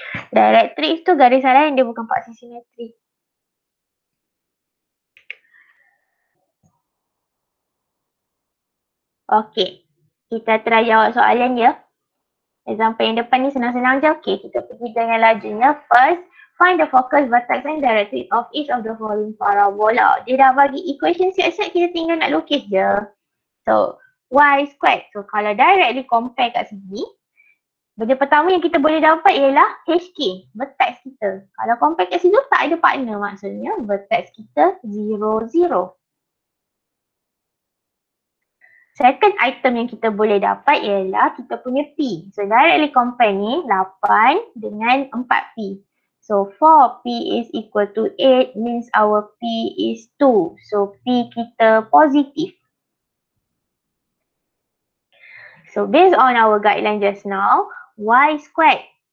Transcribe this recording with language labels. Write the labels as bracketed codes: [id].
[ms] Dielektrik tu garis lain, dia bukan paksi simetri. Okey, kita try jawab soalan ya. Example yang depan ni senang-senang je. Okey, kita pergi dengan lajunya. [en] First, find the focus, vertex and directrix of each of the following parabola. [ms] Dia dah bagi equation siap-siap, kita tinggal nak lukis je. [en] So, y squared. [ms] So, kalau directly compare kat sini, benda pertama yang kita boleh dapat ialah HK, vertex kita. Kalau compare kat situ, tak ada partner, maksudnya vertex kita 0, 0. Second item yang kita boleh dapat ialah kita punya P. So directly compare ni 8 dengan 4P. [en] So 4P is equal to 8 means our P is 2. [ms] So P kita positif. [en] So based on our guideline just now, Y squared.